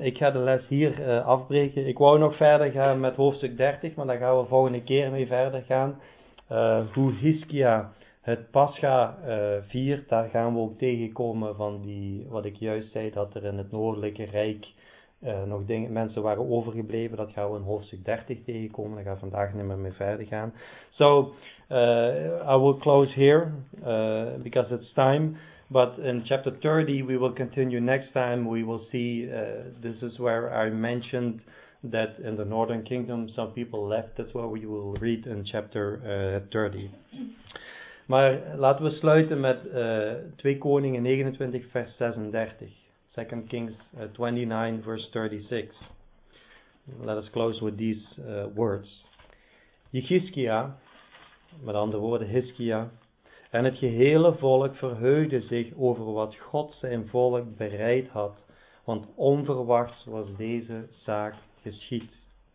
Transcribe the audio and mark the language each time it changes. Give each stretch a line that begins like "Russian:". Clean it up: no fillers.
Dutch: Ik ga de les hier afbreken. Ik wou nog verder gaan met hoofdstuk 30, maar daar gaan we volgende keer mee verder gaan. Hoe Hiskia het Pascha viert, daar gaan we ook tegenkomen van die wat ik juist zei, dat er in het Noordelijke Rijk nog dingen, mensen waren overgebleven. Dat gaan we in hoofdstuk 30 tegenkomen. Daar gaan we vandaag niet meer mee verder gaan.
English: So, I will close here, because it's time. But in chapter 30, we will continue next time. We will see, this is where I mentioned that in the Northern Kingdom, some people left. That's what we will read in chapter 30.
Dutch: Maar laten we sluiten met 2 Koningen 29, vers 36.
English: 2 Kings 29, verse 36. Let us close with these words.
Dutch: Jechizkia, met andere woorden Hiskia, en het gehele volk verheugde zich over wat God zijn volk bereid had, want onverwachts was deze zaak geschied.